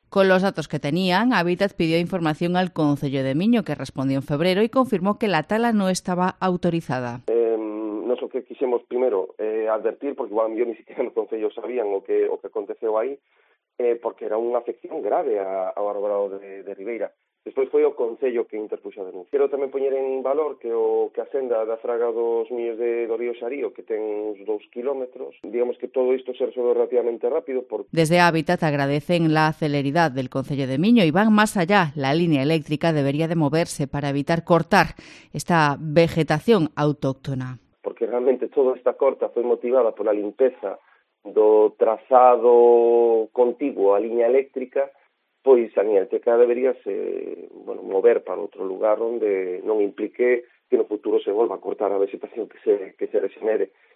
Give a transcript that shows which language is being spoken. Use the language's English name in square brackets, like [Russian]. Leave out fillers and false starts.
[Spanish] Con los datos que tenían, Habitat pidió información al Concello de Miño, que respondió en febrero, e confirmó que la tala no estaba autorizada. [Galician] Nos o que quisemos primero advertir, porque igual [Spanish] yo ni siquiera [Galician] no Concello sabían o que aconteceu aí, porque era unha afección grave ao arbolado de Ribeira. Despois foi o Concello que interpuxo a denuncia. Quero tamén poñer en valor que a senda da Fraga dos Muiños do río Xarío, que ten uns 2 kilómetros, digamos que todo isto se resolveu relativamente rápido. [Spanish] Desde Habitat agradecen la celeridad del Concello de Miño e van máis allá. La línea eléctrica debería de moverse para evitar cortar esta vegetación autóctona. [Galician] Porque realmente toda esta corta foi motivada pola limpeza do trazado contiguo á línea eléctrica, pois a niña teca deberíase mover para outro lugar onde non implique que no futuro se volva a cortar a vegetación que se regenere.